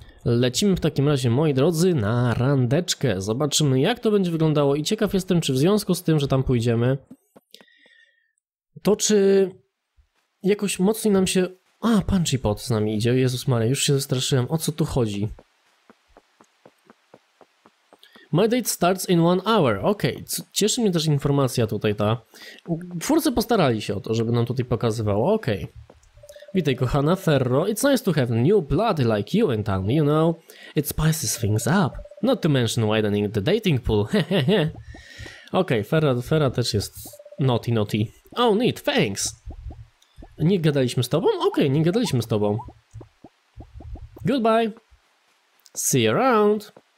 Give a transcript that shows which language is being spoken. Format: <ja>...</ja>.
<pl>Lecimy w takim razie, moi drodzy, na randeczkę. Zobaczymy, jak to będzie wyglądało i ciekaw jestem, czy w związku z tym, że tam pójdziemy, to czy jakoś mocniej nam się... A, Punchy Pot z nami idzie, Jezus Maria, już się zastraszyłem, o co tu chodzi?</pl> <en>My date starts in 1 hour,</en> <pl>okej, okay. Cieszy mnie też informacja tutaj ta. Twórcy postarali się o to, żeby nam tutaj pokazywało, okej.</pl> <en>Okay.</en> <pl>Witaj kochana</pl> <en>Ferro, it's nice to have new blood like you in town, you know, it spices things up, not to mention widening the dating pool, hehehe.</en> <pl>Okej, Ferra też jest</pl> <en>naughty, naughty. Oh, neat, thanks.</en> <pl>Nie gadaliśmy z tobą? Okej, nie gadaliśmy z tobą.</pl> <en>Goodbye. See you around.</en>